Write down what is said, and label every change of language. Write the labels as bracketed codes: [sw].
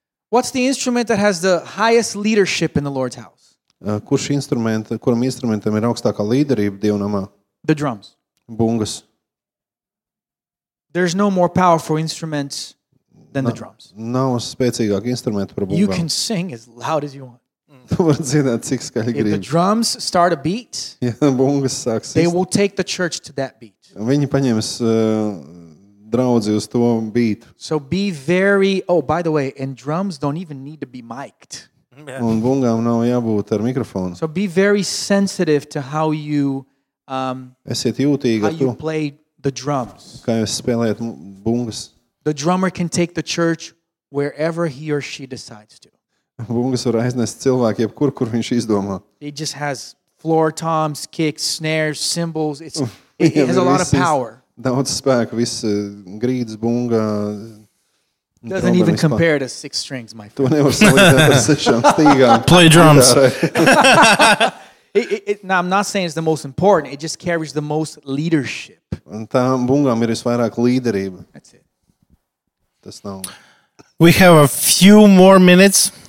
[en] What's the instrument that has the highest leadership in the Lord's house? [lv] Kurš instrument, kuram instrumentam ir augstākā līderība Dieva nāmā? [en] The drums. [lv] Bungas. [en] There's no more powerful instruments than the drums. [lv] Nav spēcīgāk instrumentu par bungām. [en] You can sing as loud as you want. [lv] Tu var dzirdēt, cik skaļi gribi. [en] If the drums start a beat, [lv] ja bungas sāks, [en] they will take the church to that beat. [lv] Viņi paņems draudzi uz to beat. [en] So be very, by the way, and drums don't even need to be mic'd. [lv] Un bungām nav jābūt ar mikrofonu. [en] So be very sensitive to how you [lv] esiet jūtīgi [en] how you play the drums. [lv] Kā jūs spēlējat bungas. [en] The drummer can take the church wherever he or she decides to. [lv] Bungas var aiznest cilvēku jebkur, kur viņš izdomā. [en] He just has floor toms, kicks, snares, cymbals. It has a lot of power. [lv] Daudz spēku, viss grīdas, bunga. [en] Doesn't even compare to six strings, my friend. [lv] To nevar salīdzēt ar sešām stīgām. [en] Play drums. Now, I'm not saying it's the most important. It just carries the most leadership. [lv] Un tām bungām ir visvairāk līderība. [en] That's it. [lv] Tas nav. [en] We have a few more minutes.